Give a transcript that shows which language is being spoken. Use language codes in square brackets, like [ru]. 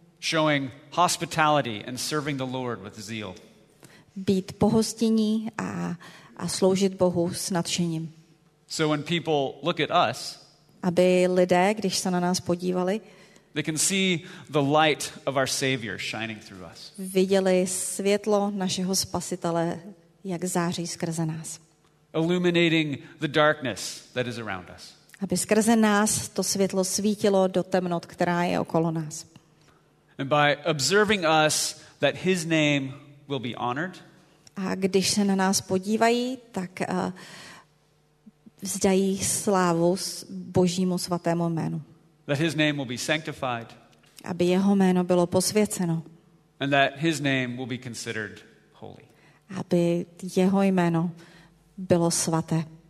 [en] Showing hospitality and serving the Lord with zeal. [cs] Být pohostinní a sloužit Bohu s nadšením. [en] So when people look at us, [cs] aby lidé, když se na nás podívali, [en] they can see the light of our Savior shining through us. [cs] Viděli světlo našeho Spasitele, jak září skrze nás. [en] Illuminating the darkness that is around us. [cs] Aby skrze nás to světlo svítilo do temnot, která je okolo nás. [en] And by observing us, that his name will be honored. [cs] A když se na nás podívají, tak vzdají slávu Božímu svatému jménu. [en] That his name will be sanctified. [cs] Aby jeho jméno bylo posvěceno. [en] And that his name will be considered holy. [cs] Aby jeho jméno bylo svaté.